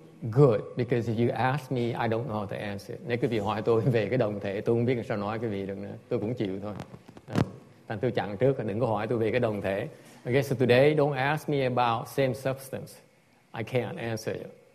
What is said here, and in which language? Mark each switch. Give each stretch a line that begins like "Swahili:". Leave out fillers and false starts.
English: Good, because if you ask me, I don't know how to answer.
Vietnamese: Nếu quý vị hỏi tôi về cái đồng thể, tôi không biết sao nói quý vị được nữa. Tôi cũng chịu thôi. Thành tôi chặn trước, đừng có hỏi tôi về cái đồng thể.
English: Okay, so today, don't ask me about same substance. I can't answer you.